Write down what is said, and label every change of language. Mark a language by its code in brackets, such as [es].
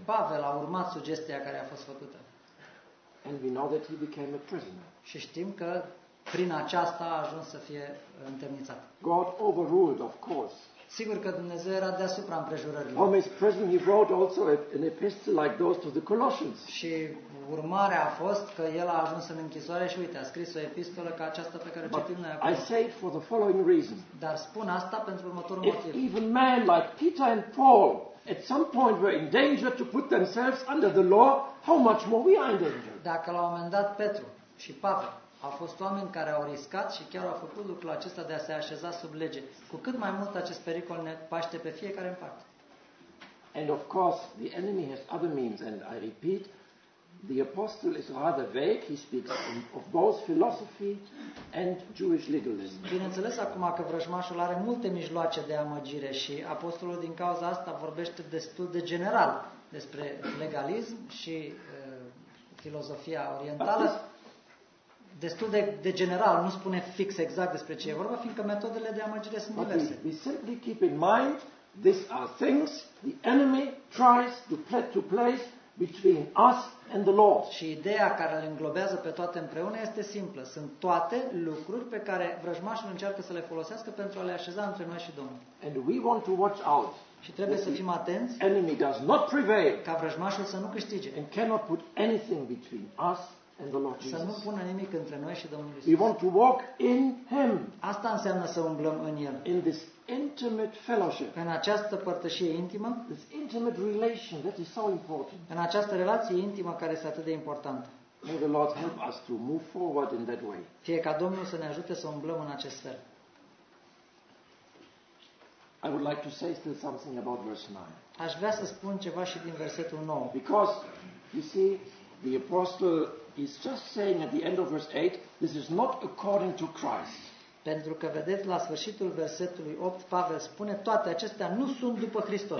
[ro] Pavel a urmat sugestia care a fost făcută. [en] And we know that he became a prisoner. [ro] Și știm că prin aceasta a ajuns să fie întemnițat. [en] God overruled, of course. [ro] Sigur că Dumnezeu era deasupra împrejurărilor. [en] From his prison he wrote also an epistle like those to the Colossians. [ro] Și urmarea a fost că el a ajuns în închisoare și uite, a scris o epistolă ca aceasta pe care [en] But [ro] citim noi acum. [en] I say it for the following reason. [ro] Dar spun asta pentru următorul [en] If [ro] motiv. [en] Even men like Peter and Paul at some point were in danger to put themselves under the law, how much more we are in danger. [ro] Dacă la un moment dat Petru și Pavel au fost oameni care au riscat și chiar au făcut lucrul acesta de a se așeza sub lege. Cu cât mai mult acest pericol ne paște pe fiecare în parte. [en] And of course, the enemy has other means and I repeat, the apostle is rather vague, he speaks of both philosophy and Jewish legalism. [ro] Bineînțeles acum că vrăjmașul are multe mijloace de amăgire și apostolul din cauza asta vorbește destul de general despre legalism și filozofia orientală. Destul de general, nu spune fix exact despre ce e vorba, fiindcă metodele de amăgire sunt diverse. [en] We simply keep in mind, these are things the enemy tries to place between us and the Lord. [ro] Și ideea care le înglobează pe toate împreună este simplă. Sunt toate lucruri pe care vrăjmașul încearcă să le folosească pentru a le așeza între noi și Domnul. [en] And we want to watch out. [ro] Și trebuie să fim atenți. [en] Enemy does not prevail. [ro] Ca vrăjmașul să nu câștige. [en] And cannot put anything between us and the Lord Jesus. [ro] Să nu pună nimic între noi și Domnul Iisus. [en] We want to walk in him. [ro] Asta înseamnă să umblăm în el. [en] In this intimate fellowship. [ro] În această părtășie intimă. [en] This intimate relation that is so important. [ro] În această relație intimă care este atât de importantă. [en] May the Lord help us to move forward in that way. [ro] Fie ca Domnul să ne ajute să umblăm în acest fel. [en] I would like to say still something about verse 9. [ro] Aș vrea să spun ceva și din versetul 9. [en] Because you see the apostle is just saying at the end of verse 8 this is not according to Christ. [ro] Pentru că vedeți la sfârșitul versetului 8 Pavel spune toate acestea nu sunt după Hristos.